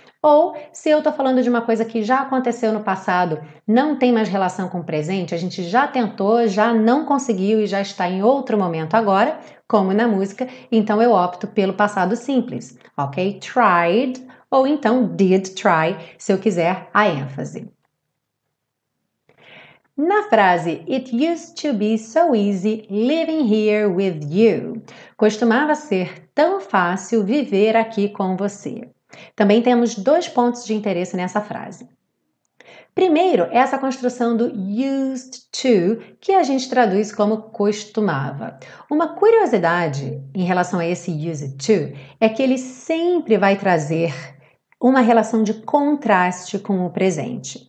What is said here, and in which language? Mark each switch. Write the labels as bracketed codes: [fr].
[pt] Ou, se eu estou falando de uma coisa que já aconteceu no passado, não tem mais relação com o presente, a gente já tentou, já não conseguiu e já está em outro momento agora, como na música, então eu opto pelo passado simples, ok? [en] Tried, [pt] ou então [en] did try, [pt] se eu quiser a ênfase. Na frase, [en] it used to be so easy living here with you. [pt] Costumava ser tão fácil viver aqui com você. Também temos dois pontos de interesse nessa frase. Primeiro, essa construção do used to, que a gente traduz como costumava. Uma curiosidade em relação a esse used to é que ele sempre vai trazer uma relação de contraste com o presente.